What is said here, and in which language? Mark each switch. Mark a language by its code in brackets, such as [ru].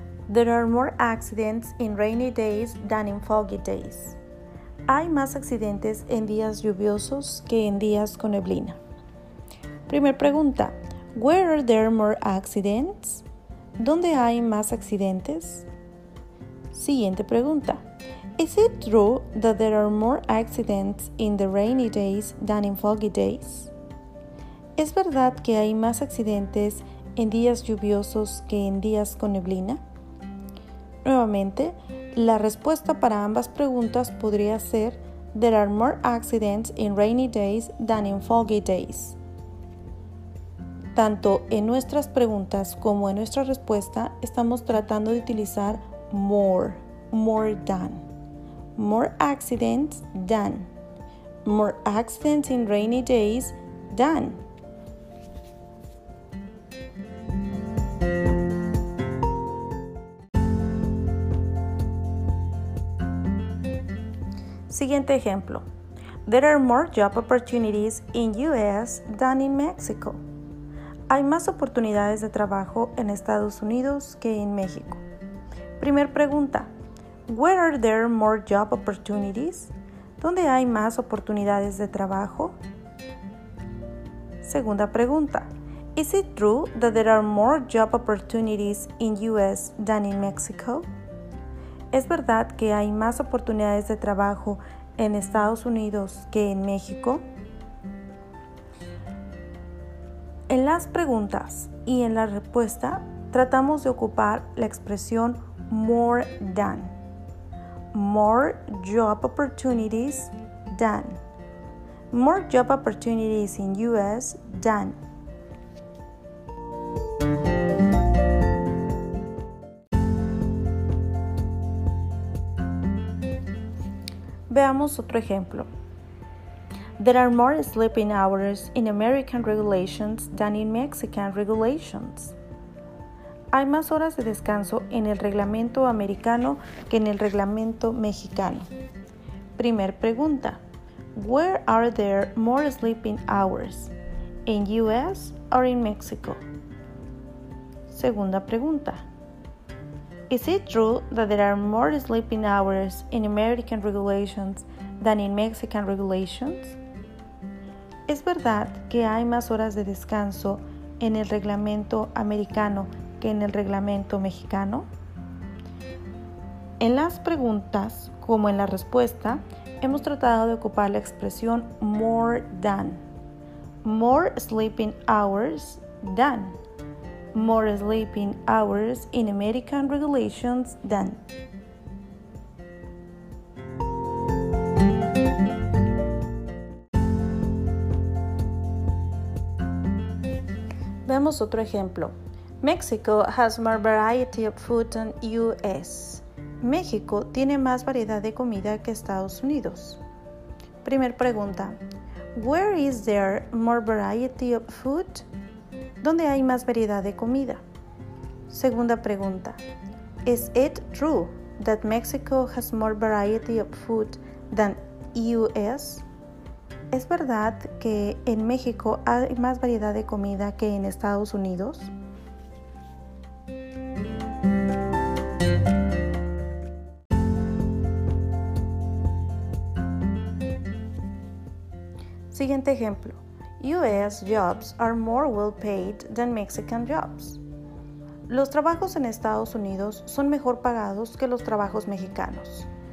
[en] There are more accidents in rainy days than in foggy days. [es] Hay más accidentes en días lluviosos que en días con neblina. Primer pregunta. [en] Where are there more accidents? [es] ¿Dónde hay más accidentes? Siguiente pregunta. [en] Is it true that there are more accidents in the rainy days than in foggy days? [es] ¿Es verdad que hay más accidentes en días lluviosos que en días con neblina? Nuevamente, la respuesta para ambas preguntas podría ser: [en] There are more accidents in rainy days than in foggy days. [es] Tanto en nuestras preguntas como en nuestra respuesta, estamos tratando de utilizar [en] more, more than. More accidents than. More accidents in rainy days than. [es] Siguiente ejemplo. [en] There are more job opportunities in US than in Mexico. [es] Hay más oportunidades de trabajo en Estados Unidos que en México. Primer pregunta. [en] Where are there more job opportunities? [es] ¿Dónde hay más oportunidades de trabajo? Segunda pregunta. [en] Is it true that there are more job opportunities in US than in Mexico? [es] ¿Es verdad que hay más oportunidades de trabajo en Estados Unidos que en México? En las preguntas y en la respuesta, tratamos de ocupar la expresión more than. [en] More job opportunities than. More job opportunities in US than. [es] Veamos otro ejemplo. [en] There are more sleeping hours in American regulations than in Mexican regulations. [es] Hay más horas de descanso en el reglamento americano que en el reglamento mexicano. Primer pregunta. [en] Where are there more sleeping hours? In US or in Mexico? [es] Segunda pregunta. [en] Is it true that there are more sleeping hours in American regulations than in Mexican regulations? [es] ¿Es verdad que hay más horas de descanso en el reglamento americano que en el reglamento mexicano? En las preguntas, como en la respuesta, hemos tratado de ocupar la expresión more than. [en] More sleeping hours than. More sleeping hours in American regulations than. [es] Veamos otro ejemplo. [en] Mexico has more variety of food than US. [es] México tiene más variedad de comida que Estados Unidos. Primer pregunta. [en] Where is there more variety of food? [es] ¿Dónde hay más variedad de comida? Segunda pregunta. [en] Is it true that Mexico has more variety of food than US? [es] ¿Es verdad que en México hay más variedad de comida que en Estados Unidos? Siguiente ejemplo. [en] US jobs are more well paid than Mexican jobs. [es] Los trabajos en Estados Unidos son mejor pagados que los trabajos mexicanos.